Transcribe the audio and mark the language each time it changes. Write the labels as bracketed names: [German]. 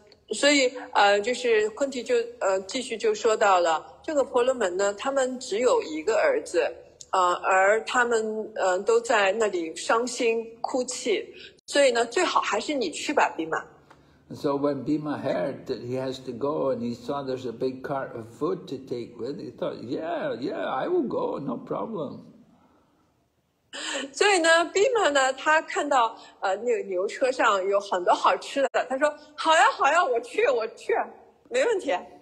[Chinese] 所以就是昆蒂就继续就说到了这个婆罗门呢他们只有一个儿子而他们都在那里伤心哭泣所以呢最好还是你去吧 Bhima。 [English] So when Bhima heard that he has to go and he saw there's a big cart of food to take with, he thought, yeah, yeah, I will go, no problem. [Chinese] 所以呢 ,Bhima 呢他看到那个牛车上有很多好吃的，他说好呀好呀，我去我去，没问题。